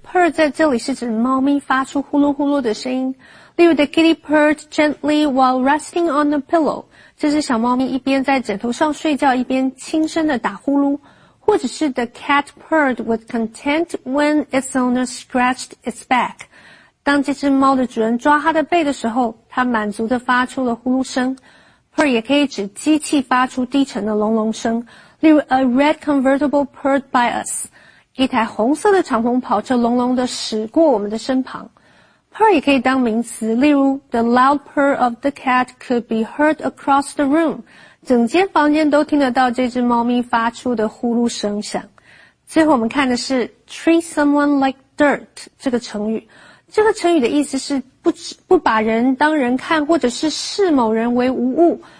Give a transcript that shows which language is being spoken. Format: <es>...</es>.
<zh>purr 在这里是指猫咪发出呼噜呼噜的声音。例如</zh> <en>,the kitty purred gently while resting on the pillow.</en> <zh>这只小猫咪一边在枕头上睡觉一边轻声地打呼噜。或者是</zh> <en>the cat purred with content when its owner scratched its back.</en> <zh>当这只猫的主人抓它的背的时候，它满足地发出了呼噜声。 Purr 也可以指机器发出低沉的隆隆声。例如</zh> <en>a red convertible purred by us.</en> <zh>一台红色的敞篷跑车隆隆地驶过我们的身旁。</zh> <en>Purr</en> <zh>也可以当名词，例如</zh> <en>the loud purr of the cat could be heard across the room.</en> <zh>整间房间都听得到这只猫咪发出的呼噜声响。最后我们看的是</zh> <en>treat someone like dirt</en> <zh>这个成语。这个成语的意思是 不把人当人看或者是视某人为无物。</zh>